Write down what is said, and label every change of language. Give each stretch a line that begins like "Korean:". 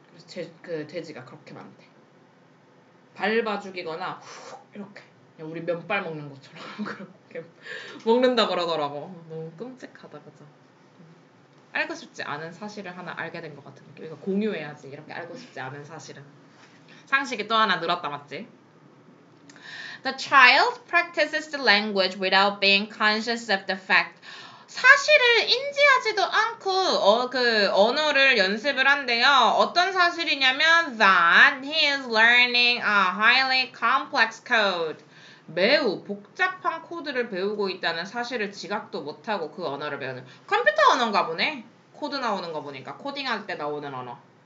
Korean: 그래서 그 돼지가 그렇게 많대. 밟아 죽이거나 훅 이렇게. 우리 면발 먹는 것처럼 그렇게 먹는다 그러더라고. 너무 끔찍하다, 그죠? 알고 싶지 않은 사실을 하나 알게 된 것 같은 느낌. 이거 공유해야지, 이렇게 알고 싶지 않은 사실은. 상식이 또 하나 늘었다, 맞지?
English: The child practices the language without being conscious of the fact.
Korean: 사실을 인지하지도 않고 그 언어를 연습을 한대요. 어떤 사실이냐면
English: that he is learning a highly complex code.
Korean: 매우 복잡한 코드를 배우고 있다는 사실을 지각도 못하고 그 언어를 배우는 컴퓨터 언어인가 보네. 코드 나오는 거 보니까 코딩할 때 나오는 언어.